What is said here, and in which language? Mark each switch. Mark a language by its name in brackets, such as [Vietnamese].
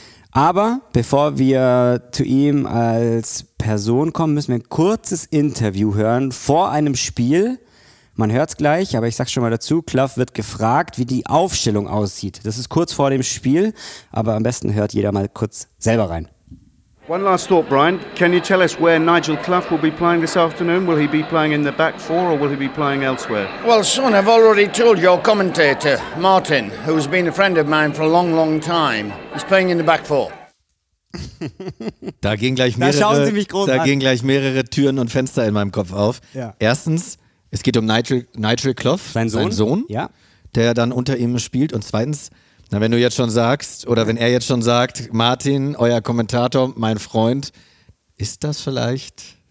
[German] Aber bevor wir zu ihm als Person kommen, müssen wir ein kurzes Interview hören vor einem Spiel. Man hört es gleich, aber ich sag's schon mal dazu, Clough wird gefragt, wie die Aufstellung aussieht. Das ist kurz vor dem Spiel, aber am besten hört jeder mal kurz selber rein. [English] One last thought, Brian. Can you tell us where Nigel Clough will be playing this afternoon? Will he be playing in the back four or will he be playing elsewhere? Well, Sean, I've already told your commentator, Martin, who's been a friend of mine for a long, long time. He's playing in the back four. [German] Da gehen gleich mehrere, da schauen Sie mich groß da an. Gehen gleich mehrere Türen und Fenster in meinem Kopf auf. Ja. Erstens, es geht um Nigel Clough, sein Sohn, ja, der dann unter ihm spielt. Und zweitens, na, wenn du jetzt schon sagst, oder wenn er jetzt schon sagt, Martin, euer Kommentator, mein Freund, ist das vielleicht...